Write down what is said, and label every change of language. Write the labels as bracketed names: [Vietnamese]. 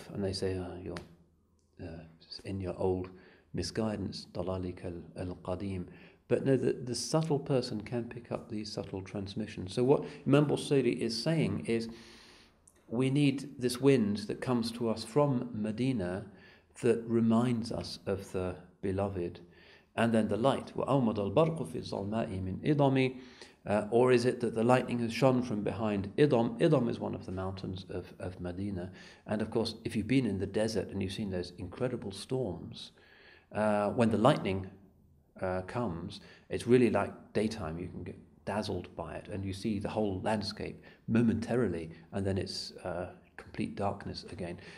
[English] And they say, you're in your old misguidance, [Arabic] dalalik al-qadim. [English] But no, the subtle person can pick up these subtle transmissions. So what Imam Bussiri is saying is, we need this wind that comes to us from Medina that reminds us of the beloved. And then the light, [Arabic] وَأَوْمَدَ الْبَرْقُ فِي الظَّلْمَاءِ مِنْ إِضَمِ. [English] Or is it that the lightning has shone from behind Idom? Idom is one of the mountains of Medina. And of course, if you've been in the desert and you've seen those incredible storms, when the lightning comes, it's really like daytime. You can get dazzled by it and you see the whole landscape momentarily, and then it's complete darkness again.